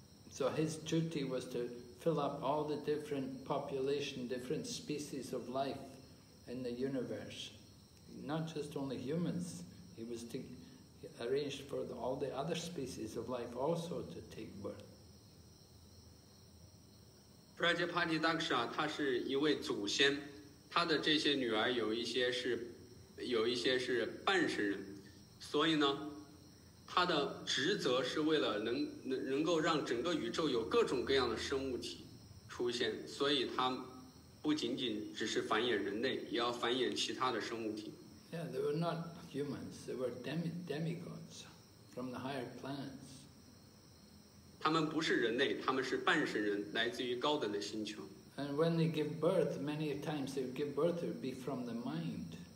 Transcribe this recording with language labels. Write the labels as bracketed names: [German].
[English] So his duty was to fill up all the different population, different species of life in the universe. Not just only humans, he was to arrange for all the other species of life also to take birth. [Chinese] Prajapati Daksha, 他是一位祖先，他的这些女儿有一些是半神人，所以呢，他的职责是为了能够让整个宇宙有各种各样的生物体出现，所以他不仅仅只是繁衍人类，也要繁衍其他的生物体。 [English] Yeah, they were not humans, they were demigods from the higher planets. [Chinese] 他们不是人类，他们是半神人，来自于高等的星球。 [English] And when they give birth, many times they would give birth, it would be from the mind.